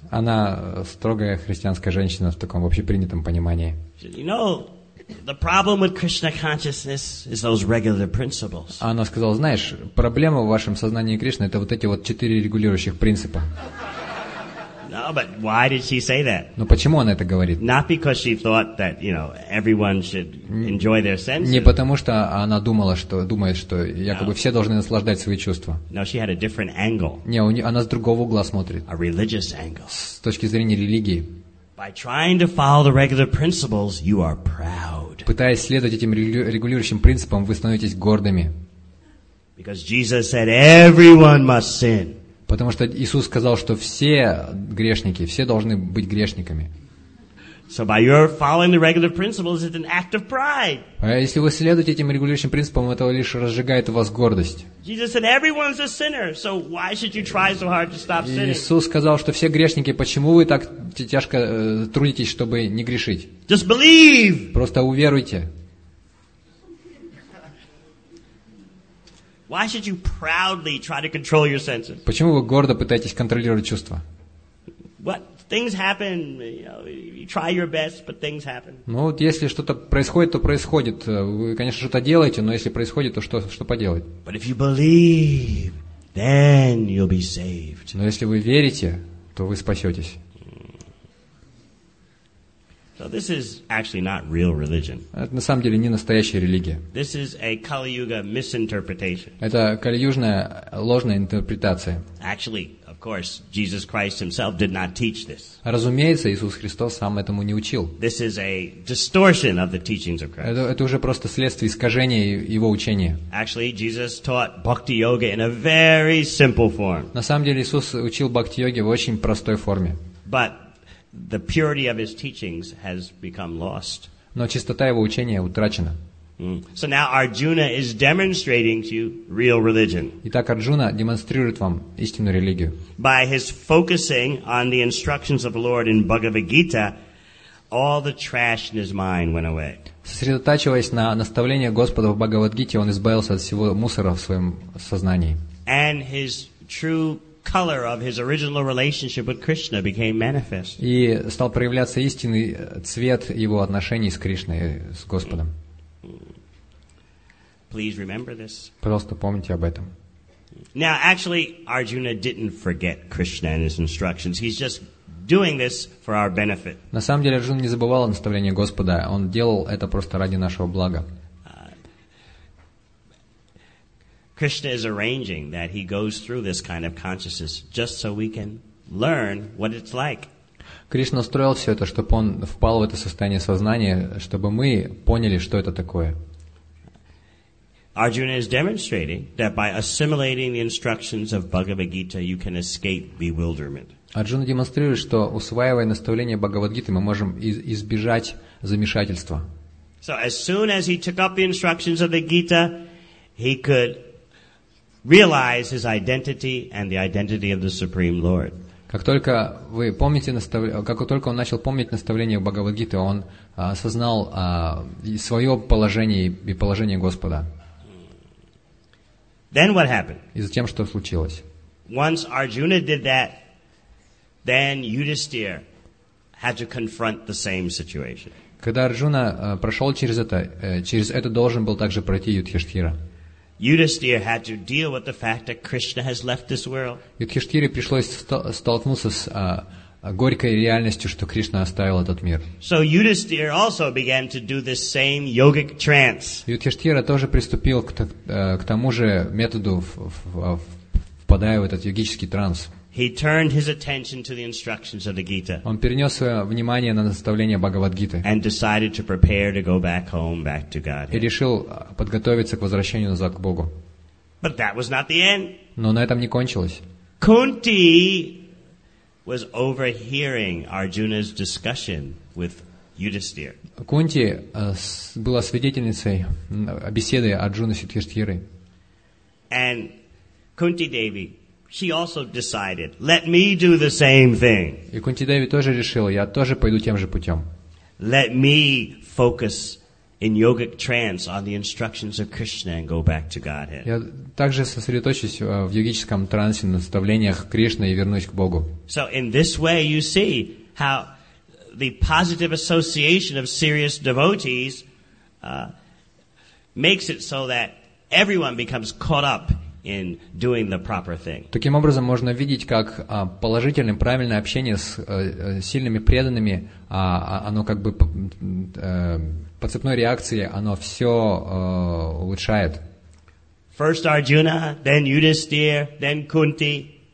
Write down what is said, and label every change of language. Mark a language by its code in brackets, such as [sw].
[ru] Она строгая христианская женщина в таком общепринятом понимании. [en] You know, the problem with Krishna consciousness is those regular principles. [ru] Она сказала, знаешь, проблема в вашем сознании Кришны это вот эти вот четыре регулирующих принципа. [en] No, but why did she say that? [ru] Но почему она это говорит? [en] Not because she thought that, you know, everyone should enjoy their senses. [ru] Не потому что она думает, что якобы все должны наслаждать свои чувства. [en] No, she had a different angle. [ru] Не, она с другого угла смотрит. [en] A religious angle. [ru] С точки зрения религии. [en] By trying to follow the regular principles, you are proud. [ru] Пытаясь следовать этим регулирующим принципам, вы становитесь гордыми. [en] Because Jesus said everyone must sin. [ru] Потому что Иисус сказал, что все грешники, все должны быть грешниками. [en] So by your following the regular principles, it's an act of pride. [ru] А если вы следуете этим регулирующим принципам, это лишь разжигает у вас гордость. [en] Jesus said everyone's a sinner, so why should you try so hard to stop sinning? [ru] Иисус сказал, что все грешники, почему вы так тяжко трудитесь, чтобы не грешить? [en] Just believe. [ru] Просто уверуйте. [en] Why should you proudly try to control your senses? [ru] Почему вы гордо пытаетесь контролировать чувства? [en] What things happen? You try your best, but things happen. [ru] Ну вот если что-то происходит, то происходит. Вы, конечно, что-то делаете, но если происходит, то что поделать? [en] But if you believe, then you'll be saved. [ru] Но если вы верите, то вы спасетесь. [en] So this is actually not real religion. [ru] Это на самом деле не настоящая религия. [en] This is a Kali-Yuga misinterpretation. [ru] Это калиюжная ложная интерпретация. [en] Actually, of course, Jesus Christ himself did not teach this. [ru] Разумеется, Иисус Христос сам этому не учил. [en] This is a distortion of the teachings of Christ. [ru] Это уже просто следствие искажения его учения. [en] Actually, Jesus taught bhakti yoga in a very simple form. [ru] На самом деле Иисус учил бхакти йоге в очень простой форме. [en] But the purity of his teachings has become lost. [ru] Но чистота его учения утрачена. [en] So now Arjuna is demonstrating to you real religion. [ru] Итак, Арджуна демонстрирует вам истинную религию. [en] By his focusing on the instructions of the Lord in Bhagavad Gita, all the trash in his mind went away. [ru] Сосредотачиваясь на наставлении Господа в Бхагавадгите, он избавился от всего мусора в своем сознании. [en] And his true color of his original relationship with Krishna became manifest. [ru] И стал проявляться истинный цвет его отношений с Кришной, с Господом. [en] Please remember this. [ru] Просто помните об этом. [en] Now, actually, Arjuna didn't forget Krishna and his instructions. He's just doing this for our benefit. [ru] На самом деле, Арджуна не забывал о наставлении Господа. Он делал это просто ради нашего блага. [en] Krishna is arranging that he goes through this kind of consciousness just so we can learn what it's like. [ru] Кришна устроил все это, чтобы он впал в это состояние сознания, чтобы мы поняли, что это такое. [en] Arjuna is demonstrating that by assimilating the instructions of Bhagavad Gita, you can escape bewilderment. [ru] Арджуна демонстрирует, что усваивая наставления Бхагавадгиты, мы можем избежать замешательства. [en] So as soon as he took up the instructions of the Gita, he could realize his identity and the identity of the Supreme Lord. [ru] Как только вы помните как только он начал помнить наставления Бхагавадгиты, он осознал свое положение и положение Господа. [en] Then what happened? [ru] И затем что случилось? [en] Once Arjuna did that, then Yudhisthira had to confront the same situation. [ru] Когда Арджуна прошел через это должен был также пройти Юдхиштхира. [en] Yudhisthira had to deal with the fact that Krishna has left this world. [ru] Юдхиштхире пришлось столкнуться с горькой реальностью, что Кришна оставил этот мир. [en] So Yudhisthira also began to do this same yogic trance. [ru] Юдхиштхира тоже приступил к тому же методу, впадая в этот йогический транс. [en] He turned his attention to the instructions of the Gita. [ru] Он перенес свое внимание на наставления Бхагавадгиты. [en] And decided to prepare to go back home, back to God. [ru] И решил подготовиться к возвращению назад к Богу. [en] But that was not the end. [ru] Но на этом не кончилось. [en] Kunti was overhearing Arjuna's discussion with Yudhisthira. [ru] Кунти была свидетельницей беседы Арджуны с Юдхиштхирой. [en] And Kunti Devi, she also decided, let me do the same thing. [ru] И Кунти Деви тоже решила, я тоже пойду тем же путем. [en] Let me focus in yogic trance on the instructions of Krishna and go back to Godhead. [ru] Я также сосредоточусь в йогическом трансе на наставлениях Кришны и вернусь к Богу. [en] So in this way you see how the positive association of serious devotees makes it so that everyone becomes caught up in doing the proper thing. [ru] Таким образом можно видеть, как положительное, правильное общение с сильными преданными, оно как бы по цепной реакции, оно все улучшает. [en] First Arjuna, then Yudhisthira, then Kunti.